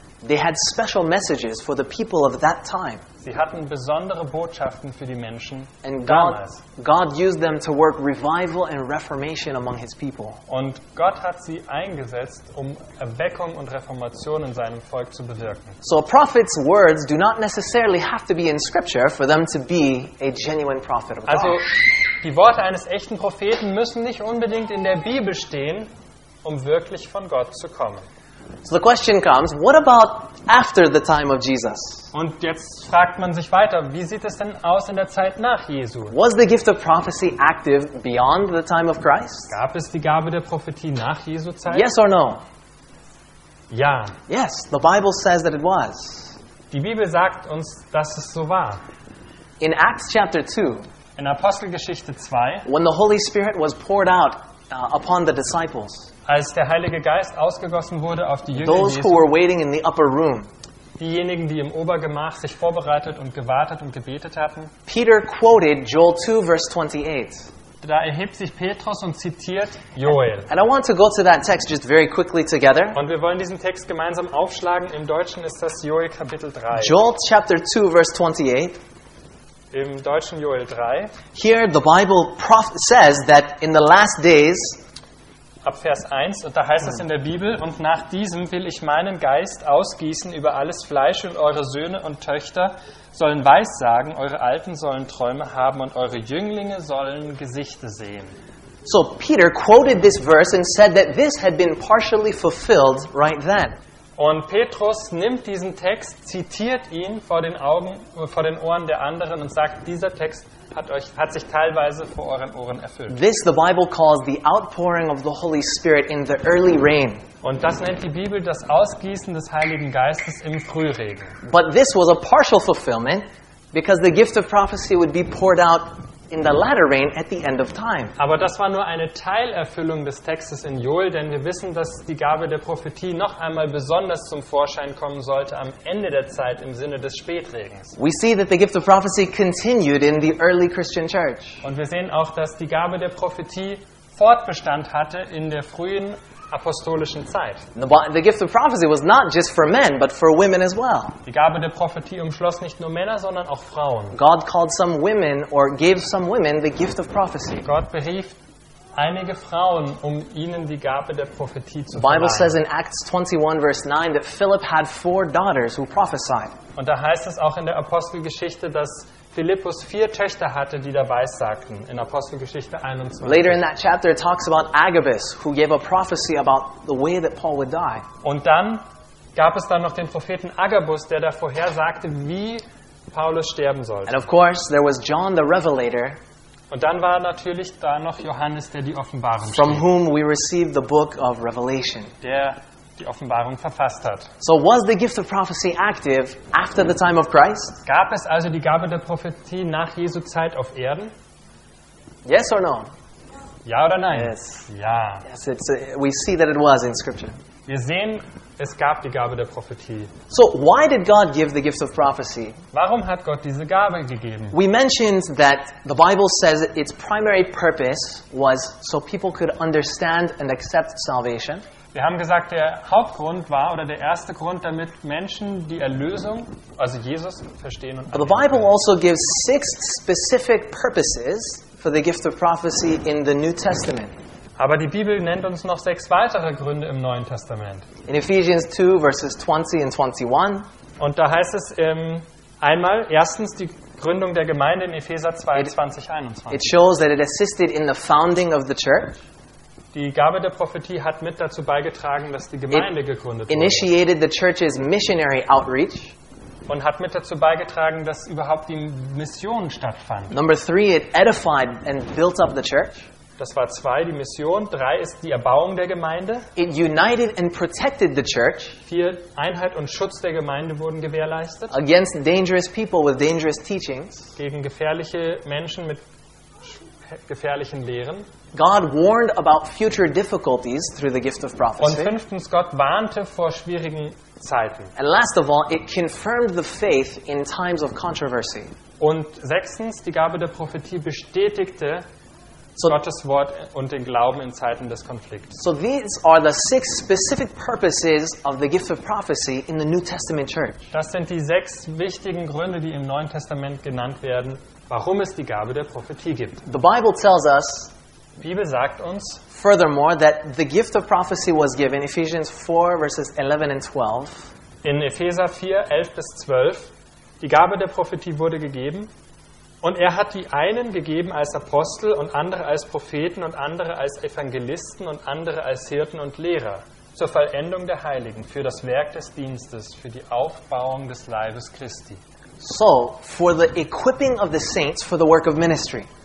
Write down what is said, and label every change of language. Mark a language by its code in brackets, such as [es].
[en] They had special messages for the people of that time. [de] Sie hatten besondere Botschaften für die Menschen [en] and [de] damals. [en] God used them to work revival and reformation among his people. [de] Und Gott hat sie eingesetzt, um Erweckung und Reformation in seinem Volk zu bewirken. [en] So a prophet's words do not necessarily have to be in scripture for them to be a genuine prophet of God. [de] Also die Worte eines echten Propheten müssen nicht unbedingt in der Bibel stehen, um wirklich von Gott zu kommen. [en] So the question comes, what about after the time of Jesus? [de] Und jetzt fragt man sich weiter, wie sieht es denn aus in der Zeit nach Jesu? [en] Was the gift of prophecy active beyond the time of Christ? [de] Gab es die Gabe der Prophetie nach Jesu Zeit? [en] Yes or no? [de] Ja. [en] Yes, the Bible says that it was. [de] Die Bibel sagt uns, dass es so war. [en] In Acts chapter 2. [de] In Apostelgeschichte 2. [en] When the Holy Spirit was poured out upon the disciples. [de] Als der Heilige Geist ausgegossen wurde auf die Jünger [en] Jesu, who were waiting in the upper room, [de] diejenigen, die im Obergemach sich vorbereitet und gewartet und gebetet hatten, [en] Peter quoted Joel 2, verse 28. [de] Da erhebt sich Petrus und zitiert Joel. [en] And I want to go to that text just very quickly together. [de] Und wir wollen diesen Text gemeinsam aufschlagen. Im Deutschen ist das Joel Kapitel 3. [en] Joel chapter 2, verse 28. [de] Im Deutschen Joel 3. [en] Here the Bible says that in the last days, [de] ab Vers 1, und da heißt es in der Bibel, und nach diesem will ich meinen Geist ausgießen über alles Fleisch, und eure Söhne und Töchter sollen weissagen, eure Alten sollen Träume haben und eure Jünglinge sollen Gesichter sehen. [en] So Peter quoted this verse and said that this had been partially fulfilled right then. [de] Und Petrus nimmt diesen Text, zitiert ihn vor den Ohren der anderen und sagt, dieser Text hat sich teilweise vor euren Ohren erfüllt. [en] This the Bible calls the outpouring of the Holy Spirit in the early rain. [de] Und das nennt die Bibel das Ausgießen des Heiligen Geistes im Frühregen. [en] But this was a partial fulfillment because the gift of prophecy would be poured out in the latter rain at the end of time. [de] Aber das war nur eine Teilerfüllung des Textes in Joel, denn wir wissen, dass die Gabe der Prophetie noch einmal besonders zum Vorschein kommen sollte am Ende der Zeit im Sinne des Spätregens. [en] We see that the gift of prophecy continued in the early Christian church. [de] Und wir sehen auch, dass die Gabe der Prophetie Fortbestand hatte in der frühen apostolischen Zeit. [en] The gift of prophecy was not just for men, but for women as well. [de] Die Gabe der Prophetie umschloss nicht nur Männer, sondern auch Frauen. [en] God called some women or gave some women the gift of prophecy. [de] Gott berief einige Frauen, um ihnen die Gabe der Prophetie zu verleihen. [en] Bible says in Acts 21 verse 9 that Philip had four daughters who prophesied. [de] Und da heißt es auch in der Apostelgeschichte, dass Philippus vier Töchter hatte, die da weissagten, in Apostelgeschichte 21. [en] Later in that chapter it talks about Agabus, who gave a prophecy about the way that Paul would die. [de] Und dann gab es dann noch den Propheten Agabus, der da vorhersagte, wie Paulus sterben sollte. [en] And of course there was John the Revelator. [de] Und dann war natürlich da noch Johannes, der die Offenbarung schrieb. [en] From whom we received the book of Revelation. [de] Der die Offenbarung verfasst hat. [en] So was the gift of prophecy active after the time of Christ? [de] Gab es also die Gabe der Prophetie nach Jesu Zeit auf Erden? [en] Yes or no? [de] Ja oder nein? [en] Yes. [de] Ja. [en] Yes, we see that it was in scripture. [de] Wir sehen, es gab die Gabe der Prophetie. [en] So why did God give the gift of prophecy? [de] Warum hat Gott diese Gabe gegeben? [en] We mentioned that the Bible says its primary purpose was so people could understand and accept salvation. [de] Wir haben gesagt, der Hauptgrund war, oder der erste Grund, damit Menschen die Erlösung, also Jesus, verstehen und annehmen. [en] The Bible also gives six specific purposes for the gift of prophecy in the New Testament. [de] Aber die Bibel nennt uns noch sechs weitere Gründe im Neuen Testament. [en] In Ephesians 2, verses 20 and 21. [de] Und da heißt es einmal, erstens die Gründung der Gemeinde in Epheser 2, 20, 21. [en] It shows that it assisted in the founding of the church. [de] Die Gabe der Prophetie hat mit dazu beigetragen, dass die Gemeinde gegründet wurde. [en] Initiated the church's missionary outreach. [de] Und hat mit dazu beigetragen, dass überhaupt die Mission stattfand. [en] Number three, it edified and built up the church. [de] Das war zwei, die Mission. Drei ist die Erbauung der Gemeinde. [en] It united and protected the church. [de] Vier, Einheit und Schutz der Gemeinde wurden gewährleistet. [en] Against dangerous people with dangerous teachings. [de] Gegen gefährliche Menschen mit gefährlichen Lehren. [en] God warned about future difficulties through the gift of prophecy. [de] Und fünftens, Gott warnte vor schwierigen Zeiten. [en] And last of all, it confirmed the faith in times of controversy. [de] Und sechstens, die Gabe der Prophetie bestätigte Gottes Wort und den Glauben in Zeiten des Konflikts. [en] So these are the six specific purposes of the gift of prophecy in the New Testament church. [de] Das sind die sechs wichtigen Gründe, die im Neuen Testament genannt werden, warum es die Gabe der Prophetie gibt. [en] The Bible tells us, [de] Bibel sagt uns, [en] furthermore, that the gift of prophecy was given, Ephesians 4, verses 11 and 12. [de] In Epheser 4, 11 bis 12, die Gabe der Prophetie wurde gegeben. Und er hat die einen gegeben als Apostel und andere als Propheten und andere als Evangelisten und andere als Hirten und Lehrer, zur Vollendung der Heiligen, für das Werk des Dienstes, für die Aufbauung des Leibes Christi. [en] So, for the equipping of the saints for the work of ministry.